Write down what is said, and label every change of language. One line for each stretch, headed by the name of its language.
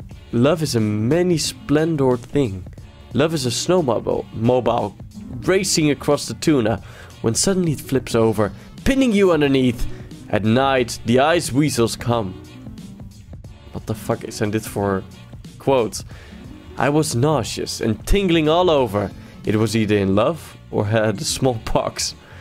English: Love is a many splendor thing. Love is a snowmobile racing across the tuna. When suddenly it flips over, pinning you underneath. At night, the ice weasels come. What the fuck
Dutch: is dit voor quotes?
English: I was nauseous and tingling all over. It was either in love or had a smallpox.